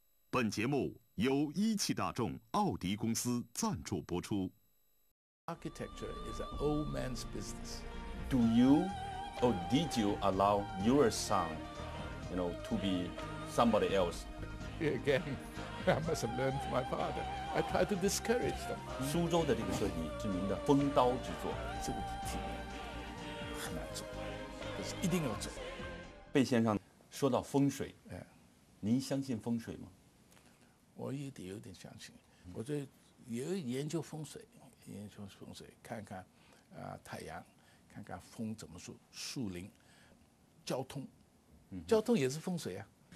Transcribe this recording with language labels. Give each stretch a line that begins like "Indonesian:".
Chinese: 本节目由一汽大众奥迪公司赞助播出。
English: Architecture is an old man's business. Do you, or did you allow your son, you know, to be somebody else? Again, I must have learned from my father. I try to discourage them.
Chinese: 苏州的这个设计是您的风刀之作，这个体验很难做，可是一定要做。贝先生，说到风水，您相信风水吗？我也得有点相信，我这也研究风水，研究风水，看看啊、太阳，看看风怎么说，树林，交通，交通也是风水啊。